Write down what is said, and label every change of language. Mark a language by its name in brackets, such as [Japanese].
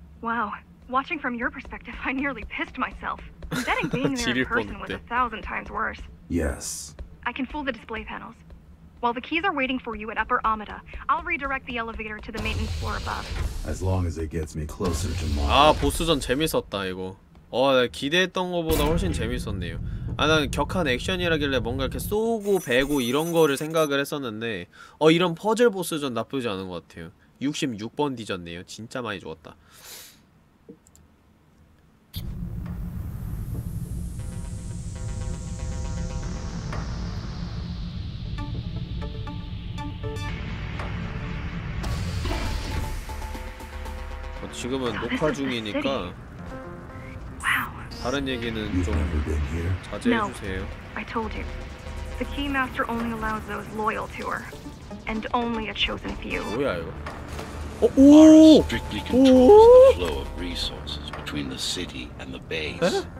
[English] Wow, watching from your perspective, I nearly pissed myself. Betting being there in person was a thousand times worse. Yes. I can fool the display panels. While the keys are waiting for you at Upper Amida, I'll redirect the elevator to the maintenance floor above. As long as it gets me closer to Mara. [Korean] 아, 보스전 재밌었다 이거. 나 기대했던 것보다 훨씬 재밌었네요. 아, 난 격한 액션이라길래 뭔가 이렇게 쏘고 베고 이런 거를 생각을 했었는데 이런 퍼즐 보스전 나쁘지 않은 것 같아요. 66번 디졌네요. 진짜 많이 죽었다. 지금은 녹화 중이니까 다른 얘기는 좀 자제해 주세요. [English] I told you. The Keymaster only allows those loyal to her and only a chosen few. [Korean] 뭐야 이거? [English] strictly controls the flow of resources between the city and the base.